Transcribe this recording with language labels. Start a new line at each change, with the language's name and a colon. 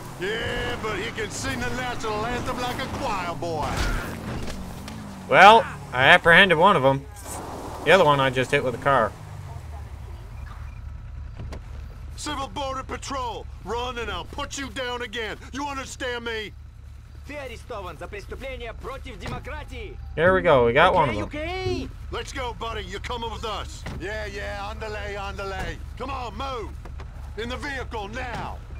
English: Yeah, but he can sing the national anthem like a choir boy. Well, I apprehended one of them. The other one I just hit with a car. Civil Border Patrol, run and I'll put you down again. You understand me?
Russian: Ты арестован за преступление против демократии.
English: Here we go, we got one of them. Okay. Let's go, buddy, you're coming with us. Yeah, underlay. Come on, move. In the vehicle, now.